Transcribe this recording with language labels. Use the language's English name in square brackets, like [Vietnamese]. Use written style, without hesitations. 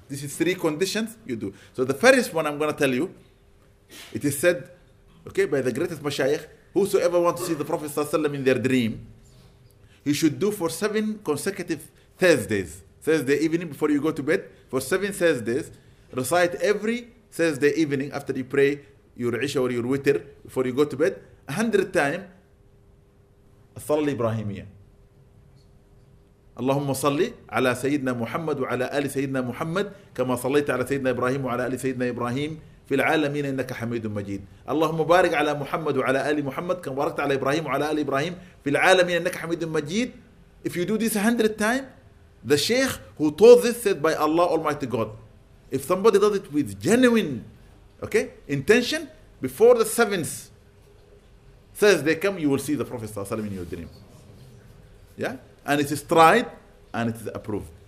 [English] This is three conditions you do. So the first one I'm going to tell you, it is said, okay, by the greatest mashayikh, whosoever wants to see the Prophet ﷺ in their dream, he should do for 7 consecutive Thursdays, Thursday evening before you go to bed, for 7 Thursdays, recite every Thursday evening after you pray your Isha or your Witr before you go to bed, 100 times, As-Salli Ibrahimiyya. [Arabic] Allahumma salli ala Sayyidina Muhammad wa ala Ali Sayyidina Muhammad, kama sallaita ala Sayyidina Ibrahim wa ala Ali Sayyidina Ibrahim, في العالمين إنك حميد مجيد اللهم بارك على محمد وعلى آل محمد كما باركت على إبراهيم وعلى آل إبراهيم في العالمين إنك حميد مجيد. [English] If you do this 100 times, the Sheikh who taught this said by Allah Almighty God, if somebody does it with genuine, okay, intention, before the 7th says they come, you will see the Prophet صلى الله عليه وسلم in your dream. Yeah, and it is tried and it is approved.